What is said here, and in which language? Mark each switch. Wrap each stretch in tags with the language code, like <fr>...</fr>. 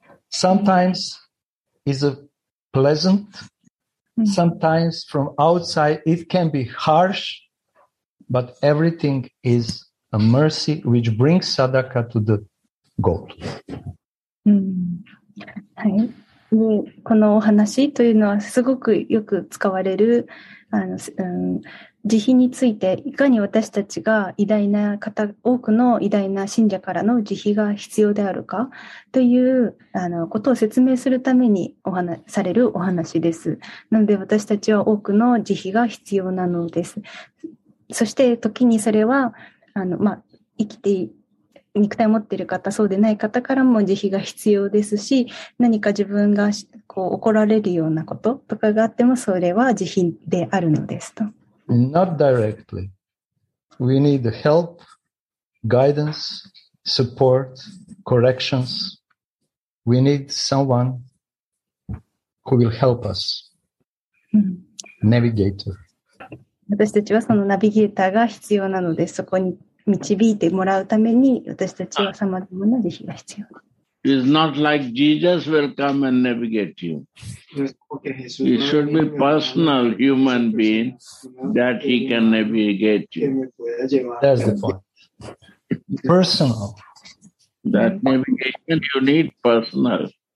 <en>Sometimes is a pleasant, sometimes from outside it can be harsh, but everything is a mercy which brings sadaka to the goal.</en> <ja>このお話というのはすごくよく使われる慈悲についていかに私たちが偉大な方多くの偉大な信者からの慈悲が必要であるかということを説明するためにお話されるお話です。なので私たちは多くの慈悲が必要なのです。そして時にそれは生きていて肉体を持っている方、そうでない方からも慈悲が必要ですし、何か自分がこう怒られるようなこととかがあっても、それは慈悲であるのですと。</ja> <en>Not directly. We need help, guidance, support, corrections. We need someone who will help us. Navigator.</en> <ja>私たちはそのナビゲーターが必要なので、そこに導いてもらうために私たちは様々な慈悲が必要。</ja> <en>It's not like Jesus will come and navigate you. It should be personal human being that he can navigate you. That's the point. Personal. That navigation you need personal.</en>